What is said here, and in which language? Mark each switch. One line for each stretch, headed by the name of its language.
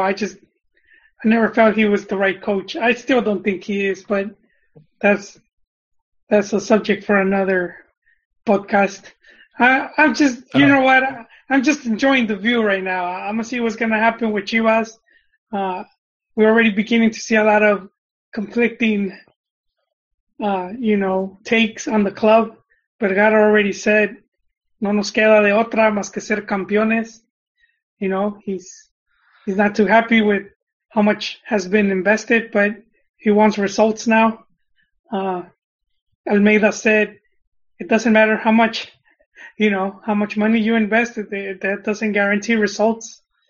English: I never felt he was the right coach. I still don't think he is, but that's a subject for another podcast. I'm just enjoying the view right now. I'm gonna see what's gonna happen with Chivas. We're already beginning to see a lot of conflicting, takes on the club. Vergara already said,
Spanish: "No nos queda de otra más que ser campeones."
English: You know, he's not too happy with how much has been invested, but he wants results now. Almeida said, it doesn't matter how much, you know, how much money you invest, that doesn't guarantee results.